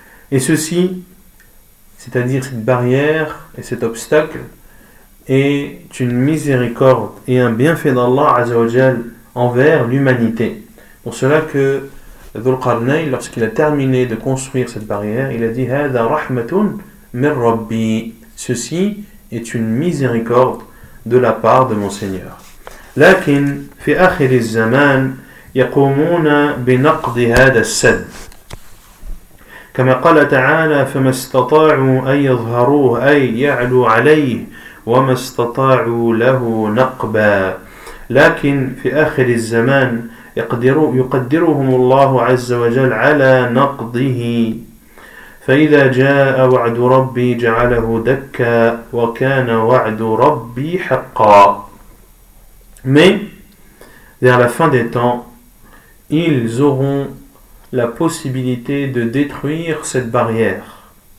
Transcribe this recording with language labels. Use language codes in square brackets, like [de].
[fr] Et ceci, c'est-à-dire cette barrière et cet obstacle, est une miséricorde et un bienfait d'Allah Azza wa Jal envers l'humanité. Pour cela que Dhul-Qarnayn, lorsqu'il a terminé de construire cette barrière, il a dit « [ar] Hadha rahmatun min Rabbi [fr] » Ceci est une miséricorde de la part de mon Seigneur. [ar] « Lakin fi akhir al-zaman yaqumuna bi naqd hadha al-sadd » كما قال تعالى فما استطاعوا أن يظهروه أي يعلو عليه وما استطاعوا له نقبا لكن في آخر الزمان يقدرهم الله عز وجل على نقضه فإذا جاء وعد ربي جعله دكا وكان وعد ربي حقا. [fr] Mais vers la fin des temps, ils auront la possibilité de détruire cette barrière.